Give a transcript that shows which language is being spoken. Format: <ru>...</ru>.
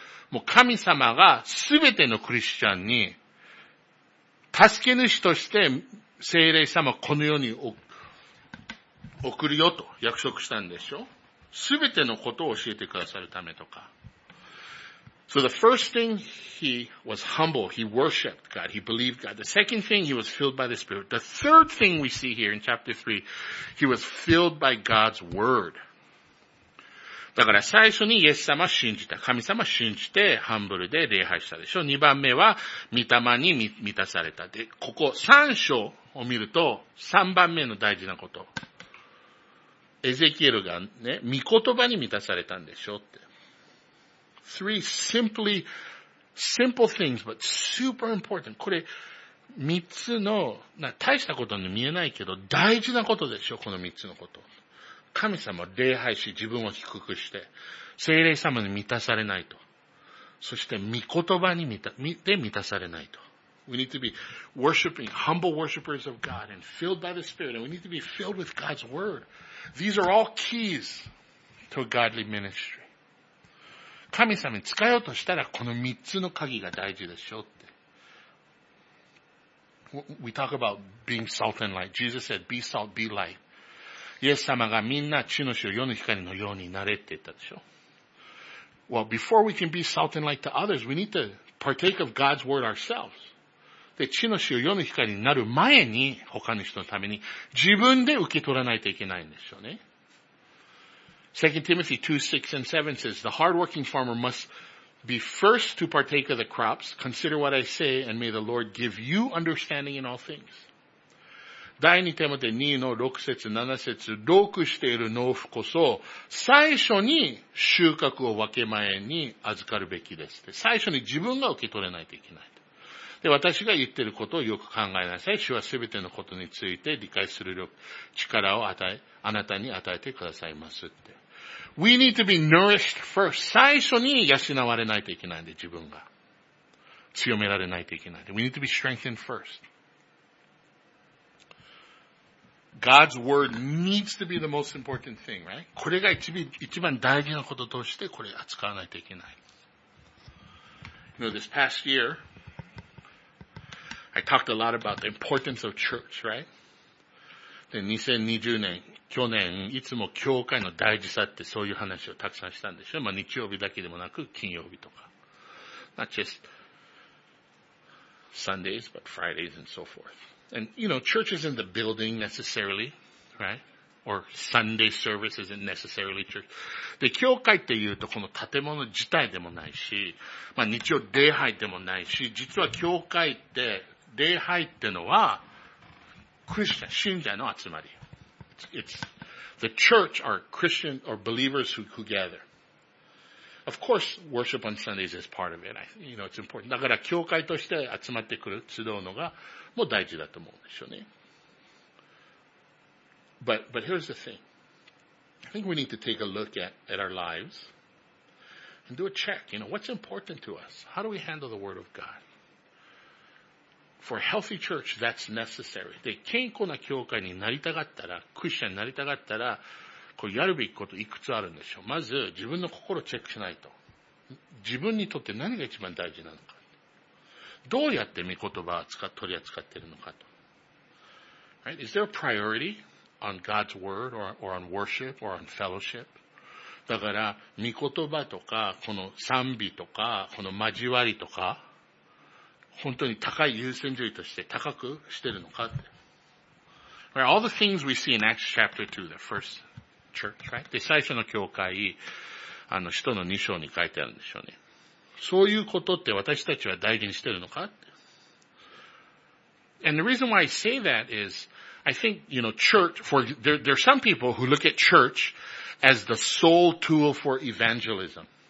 <ja>もう神様がすべてのクリスチャンに助け主として聖霊様をこの世に送るよと約束したんでしょ? すべてのことを教えてくださるためとか。</ja> <en>So the first thing, he was humble. He worshipped God. He believed God. The second thing, he was filled by the Spirit. The third thing we see here in chapter 3, he was filled by God's Word.</en> <ja>だから最初にイエス様信じた。神様信じて、ハンブルで礼拝したでしょ。二番目は、御霊に満たされた。で、ここ三章を見ると、三番目の大事なこと。エゼキエルがね、御言葉に満たされたんでしょって。</ja> <en>Three simply, simple things, but super important.</en> <ja>これ、三つの、大したことに見えないけど、大事なことでしょ、この三つのこと。神様を礼拝し、自分を低くして、聖霊様に満たされないと。そして、御言葉に満たされないと。</ja> <en>We need to be worshiping, humble worshippers of God and filled by the Spirit, and we need to be filled with God's Word. These are all keys to a godly ministry.</en> <ja>神様に使おうとしたらこの三つの鍵が大事でしょうって。</ja> <en>We talk about being salt and light. Jesus said, be salt, be light.</en> <ja>イエス様がみんな地の塩、世の光のようになれって言ったでしょ。</ja> <en>Well, before we can be salt and light to others, we need to partake of God's word ourselves.</en> <ja>で、地の塩、世の光になる前に他の人のために自分で受け取らないといけないんでしょうね。</ja> <en>2 Timothy 2, 6 and 7 says, the hardworking farmer must be first to partake of the crops. Consider what I say, and may the Lord give you understanding in all things.</en> <ja>第二テモテ2の6節7節、労苦している農夫こそ、最初に収穫を分け前に預かるべきですって。最初に自分が受け取れないといけない。で、私が言ってることをよく考えなさい。主はすべてのことについて理解する力を与え、あなたに与えてくださいますって。</ja> <en>We need to be nourished first.</en> <ja>最初に養われないといけないんで、自分が。強められないといけないんで。</ja> <en>We need to be strengthened first. God's word needs to be the most important thing, right?</en> <ja>これが一番大事なこととして、これ扱わないといけない。</ja> <en>You know, this past year, I talked a lot about the importance of church, right?</en> <ja>で、2020年、去年、いつも教会の大事さってそういう話をたくさんしたんでしょ。まあ、日曜日だけでもなく、金曜日とか。</ja> <en>Not just Sundays, but Fridays and so forth. And, you know, church isn't the building necessarily, right? Or Sunday service isn't necessarily church.</en> <ja>で、教会って言うと、この建物自体でもないし、まあ、日曜礼拝でもないし、実は教会って、礼拝ってのは、クリスチャン、信者の集まり。</ja> <en>It's the church are Christian or believers who gather. Of course, worship on Sundays is part of it. You know, it's important.</en> <ja>だから、教会として集まってくる、集うのが、もう大事だと思うんでしょうね。</ja> <en>But here's the thing. I think we need to take a look at our lives and do a check. You know, what's important to us? How do we handle the word of God? For a healthy church, that's necessary.</en> <ja>で、健康な教会になりたかったら、クリスチャンになりたかったら、こうやるべきこといくつあるんでしょう。まず、自分の心をチェックしないと。自分にとって何が一番大事なのか。どうやって御言葉を取り扱っているのかと。</ja> <en>Right? Is there a priority on God's word or on worship or on fellowship?</en> <ja>だから、御言葉とか、この賛美とか、この交わりとか、本当に高い優先順位として高くしてるのかって。</ja> <en>Right, all the things we see in Acts chapter 2, the first church, right?</en> <ja>で、最初の教会、使徒の2章に書いてあるんでしょうね。そういうことって私たちは大事にしてるのかって。</ja> <en>And the reason why I say that is, I think, you know, church, there are some people who look at church as the sole tool for evangelism.</en>